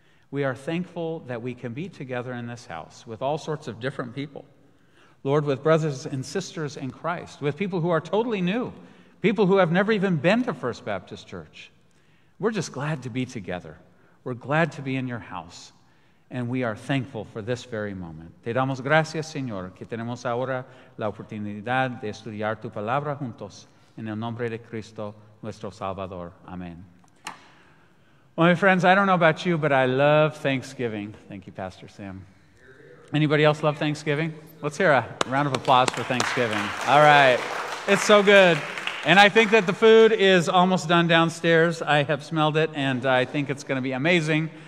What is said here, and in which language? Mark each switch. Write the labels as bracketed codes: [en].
[en] We are thankful that we can be together in this house with all sorts of different people. Lord, with brothers and sisters in Christ, with people who are totally new, people who have never even been to First Baptist Church. We're just glad to be together. We're glad to be in your house. And we are thankful for this very moment. [es] Te damos gracias, Señor, que tenemos ahora la oportunidad de estudiar tu palabra juntos en el nombre de Cristo, nuestro Salvador. [en] Amen. Well, my friends, I don't know about you, but I love Thanksgiving. Thank you, Pastor Sam. Anybody else love Thanksgiving? Let's hear a round of applause for Thanksgiving. All right. It's so good. And I think that the food is almost done downstairs. I have smelled it, and I think it's going to be amazing.